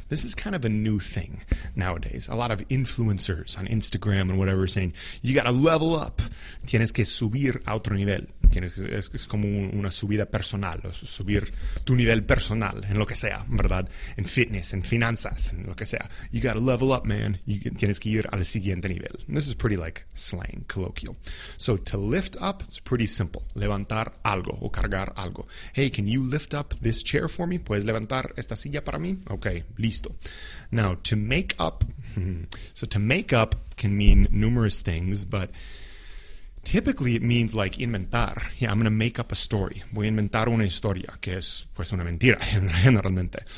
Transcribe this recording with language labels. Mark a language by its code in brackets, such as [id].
[en] This is kind of a new thing nowadays. A lot of influencers on Instagram and whatever are saying, you got to level up. [es] Tienes que subir a otro nivel. Es como una subida personal. Subir tu nivel personal en lo que sea, ¿verdad? En fitness, en finanzas, en lo que sea. [en] You got to level up, man. [es] Tienes que ir al siguiente nivel. [en] And this is pretty like slang, colloquial. So to lift up, it's pretty simple. [es] Levantar algo o cargar algo. [en] Hey, can you lift up this chair for me? [es] ¿Puedes levantar esta silla para mí? Okay, listo. [en] Now, to make up. So to make up can mean numerous things, but typically it means like inventar. Yeah, I'm going to make up a story. [es] Voy a inventar una historia, que es pues una mentira, generalmente.